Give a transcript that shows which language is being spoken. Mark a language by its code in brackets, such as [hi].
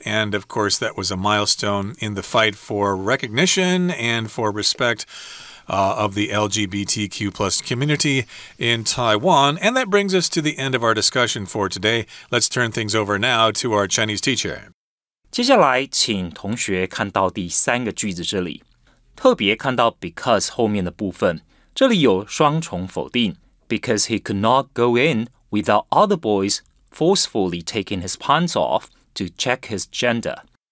[en] And, of course, that was a milestone in the fight for recognition and for respect of the LGBTQ+ community in Taiwan. And that brings us to the end of our discussion for today. Let's turn things over now to our Chinese teacher. [zh] 接下来请同学看到第三个句子这里。特别看到 because 后面的部分。这里有双重否定。 [en] Because he could not go in without other boys forcefully taking his pants off to check his gender.